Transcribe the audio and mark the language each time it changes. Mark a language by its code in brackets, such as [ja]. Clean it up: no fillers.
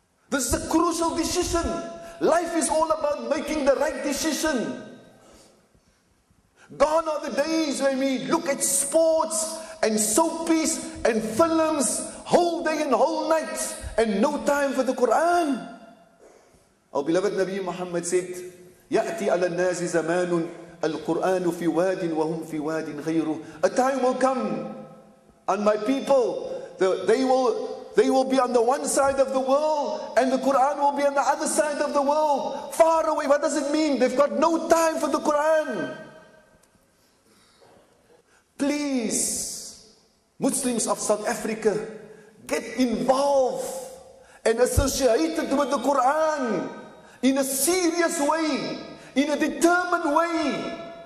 [en] This is a crucial decision. Life is all about making the right decision. Gone are the days when we look at sports and soapies and films whole day and whole night and no time for the Quran. Our beloved Nabi Muhammad said, [ar] يَأْتِي عَلَى النَّاسِ زَمَانٌ الْقُرْآنُ فِي وَادٍ وَهُمْ فِي وَادٍ غَيْرُهُ. [en] A time will come on my people. They will be on the one side of the world and the Quran will be on the other side of the world. Far away. What does it mean? They've got no time for the Quran. Please, Muslims of South Africa, get involved and associated with the Quran in a serious way, in a determined way.